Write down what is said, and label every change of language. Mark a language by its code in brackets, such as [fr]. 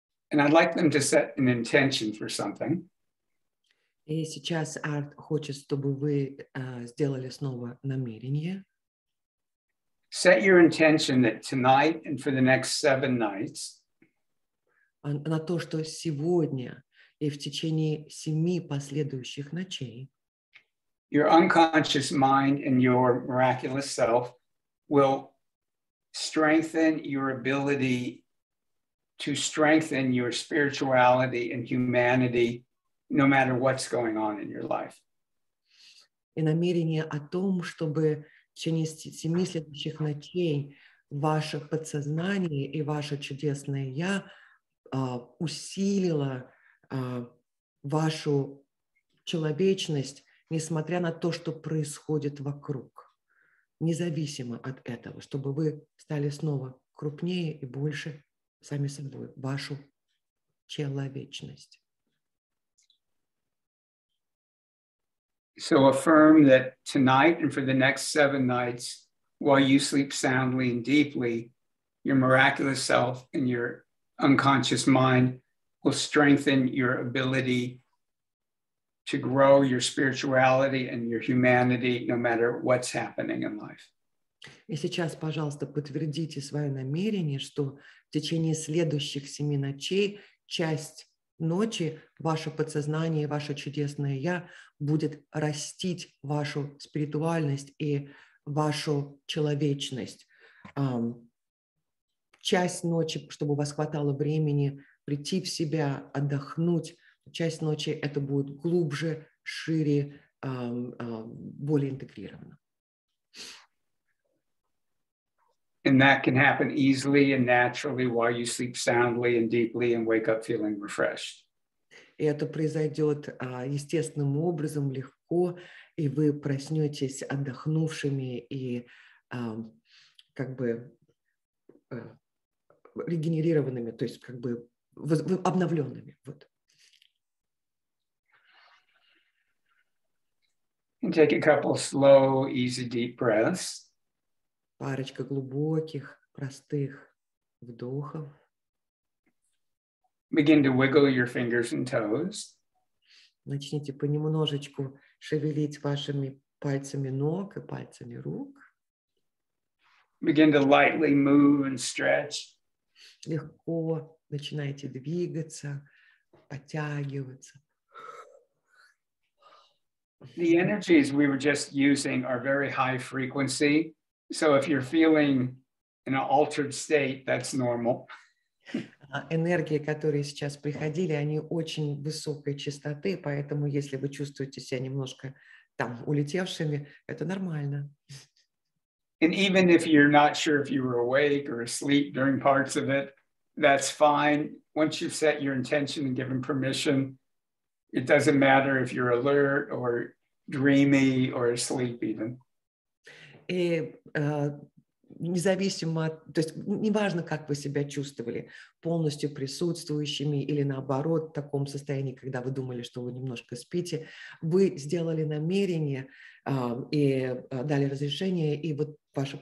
[en] And I'd like them to set an intention for something. [ru] И сейчас Арт хочет, чтобы вы сделали снова намерение. [en] Set your intention that tonight and for the next 7 nights. [ru] На то, что сегодня и в течение 7 последующих ночей. [en] Your unconscious mind and your miraculous self will strengthen your ability to strengthen your spirituality and humanity, no matter what's going on in your life. [ru] И намерение о том, чтобы в течение 7 следующих ночей ваше подсознание и ваше чудесное «Я» усилило вашу человечность, несмотря на то, что происходит вокруг, независимо от этого, чтобы вы стали снова крупнее и больше сами собой, вашу человечность. [en] So affirm that tonight and for the next 7 nights, while you sleep soundly and deeply, your miraculous self and your unconscious mind will strengthen your ability to grow your spirituality and your humanity, no matter what's happening in life. [ru] И сейчас, пожалуйста, подтвердите свое намерение, что в течение следующих 7 ночей, часть ночи, ваше подсознание, ваше чудесное «Я» будет растить вашу спиритуальность и вашу человечность. Часть ночи, чтобы у вас хватало времени прийти в себя, отдохнуть. Часть ночи это будет глубже, шире, более интегрировано. [en] And that can happen easily and naturally while you sleep soundly and deeply and wake up feeling refreshed. [ru] И это произойдет естественным образом, легко, и вы проснетесь отдохнувшими и как бы регенерированными, то есть как бы обновленными. Вот. [en] And take a couple slow, easy, deep breaths. [ru] Парочка глубоких, простых вдохов. [en] Begin to wiggle your fingers and toes. [ru] Начните понемножечку шевелить вашими пальцами ног и пальцами рук. [en] Begin to lightly move and stretch. [ru] Легко начинайте двигаться, подтягиваться. [en] The energies we were just using are very high frequency. So if you're feeling in an altered state, that's normal. [ru] Энергии, которые сейчас приходили, они очень высокой частоты, поэтому если вы чувствуете себя немножко там улетевшими, это нормально. [en] And even if you're not sure if you were awake or asleep during parts of it, that's fine. Once you've set your intention and given permission, it doesn't matter if you're alert or dreamy or asleep even. [ru] И независимо от, то есть неважно, как вы себя чувствовали, полностью присутствующими или наоборот, в таком состоянии, когда вы думали, что вы немножко спите, вы сделали намерение и дали разрешение, и вот ваше...